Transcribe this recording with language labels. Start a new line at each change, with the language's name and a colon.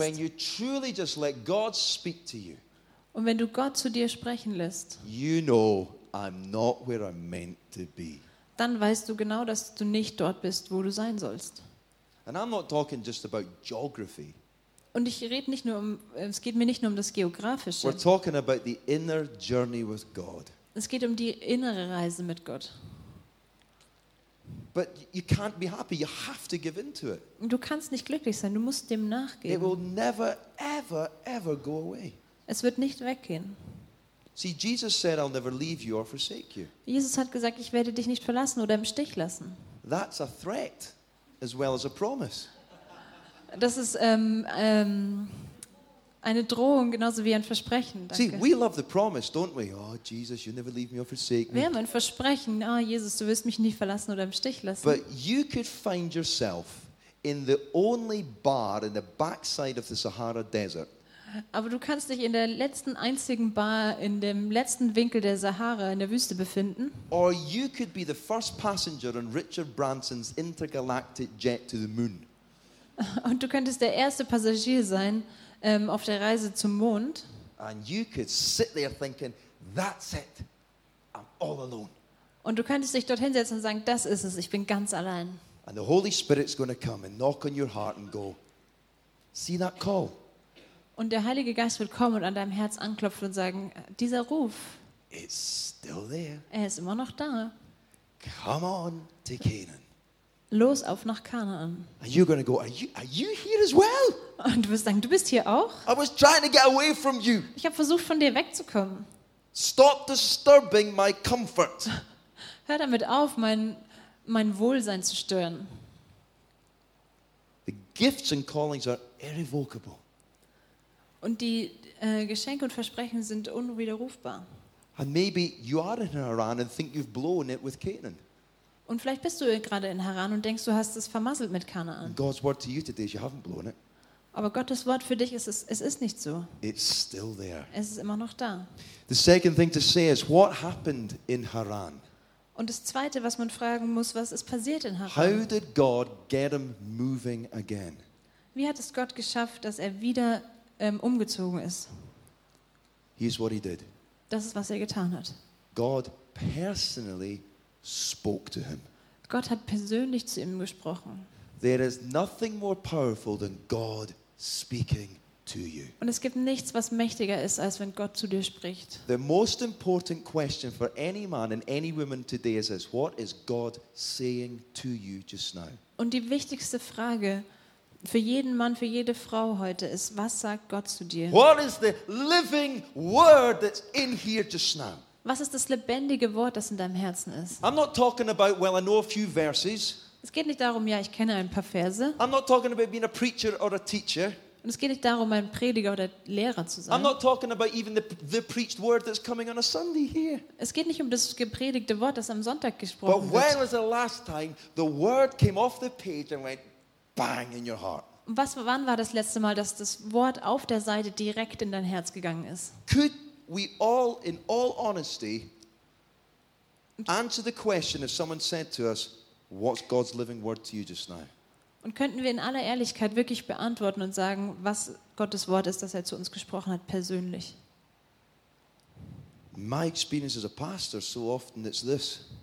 English: When you truly just let God speak to you.
German: Und wenn du Gott zu dir sprechen lässt,
English: you know, I'm not where I'm meant to be.
German: Dann weißt du genau, dass du nicht dort bist, wo du sein sollst.
English: And I'm not talking just about geography.
German: Und ich rede nicht nur es geht mir nicht nur das Geografische.
English: We're talking about the inner journey with God.
German: Es geht die innere Reise mit Gott.
English: But you can't be happy. You have to give into it.
German: Du kannst nicht glücklich sein. Du musst dem nachgeben.
English: It will never, ever, ever go away.
German: Es wird nicht weggehen.
English: See, Jesus said, I'll never leave you or forsake you.
German: Jesus hat gesagt, ich werde dich nicht verlassen oder im Stich lassen.
English: That's a threat as well as a promise.
German: Das ist eine Drohung genauso wie ein Versprechen. Danke.
English: See, we love the promise, don't we? Oh, Jesus, you'll never leave me or forsake me.
German: Wir haben ein Versprechen. Oh, Jesus, du wirst mich nicht verlassen oder im Stich lassen.
English: But you could find yourself in the only bar in the backside of the Sahara Desert.
German: Aber du kannst dich in der letzten einzigen Bar in dem letzten Winkel der Sahara in der Wüste befinden.
English: Or you could be the first passenger on Richard Branson's intergalactic jet to the moon.
German: Und du könntest der erste Passagier sein auf der Reise zum Mond.
English: And you could sit there thinking, that's it, I'm all alone.
German: Und du könntest dich dorthin setzen und sagen, das ist es, ich bin ganz allein.
English: And the Holy Spirit's going to come and knock on your heart and go, see that call.
German: Und der Heilige Geist wird kommen und an deinem Herz anklopfen und sagen, dieser Ruf,
English: it's still there.
German: Er ist immer noch da.
English: Come on to Canaan.
German: Los auf nach Kanaan.
English: Are you gonna go, are you here as well?
German: Und du wirst sagen, du bist hier auch?
English: I was trying to get away from you.
German: Ich habe versucht, von dir wegzukommen.
English: Stop disturbing my comfort.
German: Hör damit auf, mein Wohlsein zu stören.
English: gifts and callings are irrevocable.
German: Und die Geschenke und Versprechen sind unwiderrufbar.
English: And maybe you are in Haran and think you've blown it with Canaan.
German: Und vielleicht bist du gerade in Haran und denkst, du hast es vermasselt mit Kanaan.
English: And God's word to you today is you haven't blown it.
German: Aber Gottes Wort für dich ist es ist nicht so.
English: It's still there.
German: Es ist immer noch da.
English: The second thing to say is what happened in Haran.
German: Und das zweite, was man fragen muss, was ist passiert in Haran?
English: How did God get him moving again?
German: Wie hat es Gott geschafft, dass er wieder umgezogen ist?
English: Here's what he did.
German: Das ist, was er getan hat.
English: God personally spoke to him.
German: Gott hat persönlich zu ihm gesprochen.
English: There is nothing more powerful than God speaking to you.
German: Und es gibt nichts, was mächtiger ist, als wenn Gott zu dir spricht.
English: The most important question for any man and any woman today is this: What is God saying to you just now?
German: Und die wichtigste Frage für jeden Mann, für jede Frau heute ist: Was sagt Gott zu dir?
English: What is the living word that's in here just now?
German: Was ist das lebendige Wort, das in deinem Herzen ist?
English: I'm not talking about, well, I know a few verses.
German: Es geht nicht darum, ja, ich kenne ein paar Verse.
English: I'm not talking about being a preacher or a teacher.
German: Und es geht nicht darum, ein Prediger oder Lehrer zu sein.
English: I'm not talking about even the preached word that's coming on a Sunday here.
German: Es geht nicht um das gepredigte Wort, das am Sonntag gesprochen wird.
English: But when was the last time the word came off the page and went bang in your heart?
German: Was, wann war das letzte Mal, dass das Wort auf der Seite direkt in dein Herz gegangen ist?
English: Could we all, in all honesty, answer the question if someone said to us, what's God's living word to you just now?
German: Und könnten wir in aller Ehrlichkeit wirklich beantworten und sagen, was Gottes Wort ist, das er zu uns gesprochen hat, persönlich?
English: My experience as a pastor so often it's this.